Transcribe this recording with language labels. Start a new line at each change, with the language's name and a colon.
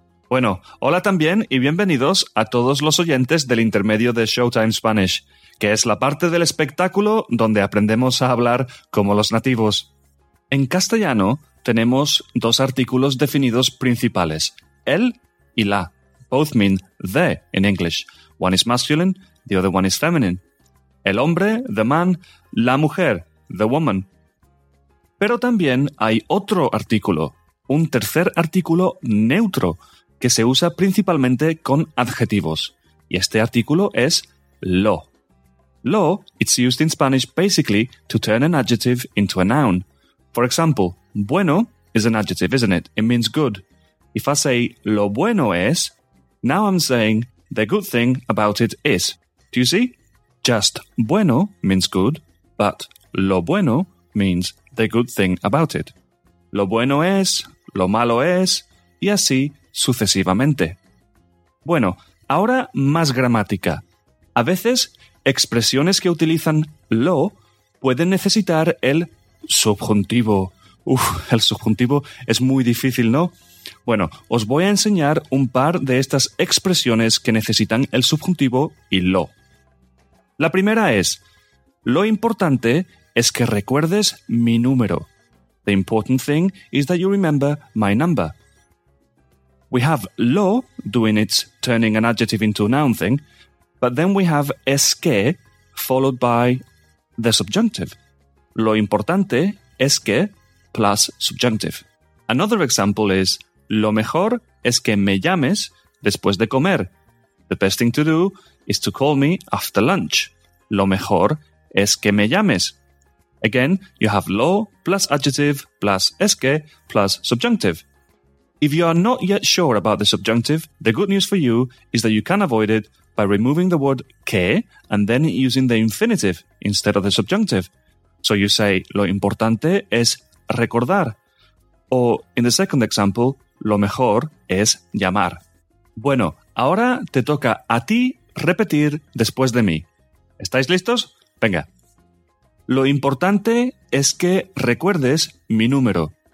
Spanish: Bueno, hola también y bienvenidos a todos los oyentes del intermedio de Showtime Spanish, que es la parte del espectáculo donde aprendemos a hablar como los nativos. En castellano tenemos dos artículos definidos principales, el y la.
English: Both mean the in English. One is masculine, the other one is feminine.
Spanish: El hombre,
English: the man,
Spanish: la mujer,
English: the woman.
Spanish: Pero también hay otro artículo, un tercer artículo neutro, que se usa principalmente con adjetivos. Y este artículo es lo.
English: Lo, it's used in Spanish basically to turn an adjective into a noun. For example, bueno is an adjective, isn't it? It means good. If I say
Spanish: lo bueno es,
English: now I'm saying the good thing about it is. Do you see? Just bueno means good, but
Spanish: lo bueno
English: means the good thing about it.
Spanish: Lo bueno es, lo malo es, y así sucesivamente. Bueno, ahora más gramática. A veces, expresiones que utilizan lo pueden necesitar el subjuntivo. Uf, el subjuntivo es muy difícil, ¿no? Bueno, os voy a enseñar un par de estas expresiones que necesitan el subjuntivo y lo. La primera es, lo importante es que recuerdes mi número.
English: The important thing is that you remember my number. We have
Spanish: lo doing
English: its turning an adjective into a noun thing, but then we have
Spanish: es que
English: followed by the subjunctive.
Spanish: Lo importante es que
English: plus subjunctive. Another example is
Spanish: lo mejor es que me llames después de comer.
English: The best thing to do is to call me after lunch.
Spanish: Lo mejor es que me llames.
English: Again, you have lo plus adjective plus es que plus subjunctive. If you are not yet sure about the subjunctive, the good news for you is that you can avoid it by removing the word que and then using the infinitive instead of the subjunctive. So you say,
Spanish: lo importante es recordar.
English: Or in the second example,
Spanish: lo mejor es llamar. Bueno, ahora te toca a ti repetir después de mí. ¿Estáis listos? Venga. Lo importante es que recuerdes mi número.